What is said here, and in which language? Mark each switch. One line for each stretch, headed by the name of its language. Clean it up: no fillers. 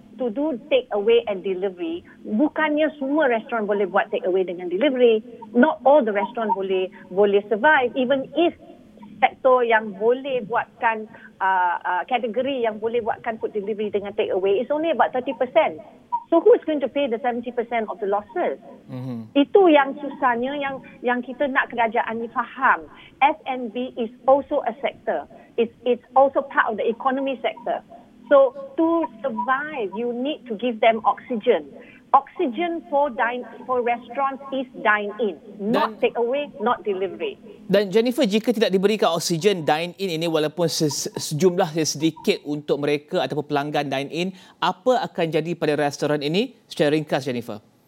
English: to do take away and delivery,
Malay: bukannya semua restoran boleh buat take away dengan delivery.
English: Not all the restaurant boleh survive. Even if
Malay: sektor yang boleh buatkan
English: kategori yang boleh buatkan food delivery dengan take away is only about 30%. So who's going to pay the 70% of the losses? Mm-hmm.
Malay: Itu yang susahnya, yang kita nak kerajaan ni faham.
English: F&B is also a sector. It's also part of the economy sector. So to survive, you need to give them oxygen. Oxygen for restaurants is dine-in, not takeaway, not delivery.
Malay: Dan Jennifer, jika tidak diberikan oksigen dine-in ini, walaupun sejumlah sedikit untuk mereka ataupun pelanggan dine-in, apa akan jadi pada restoran ini secara ringkas, Jennifer?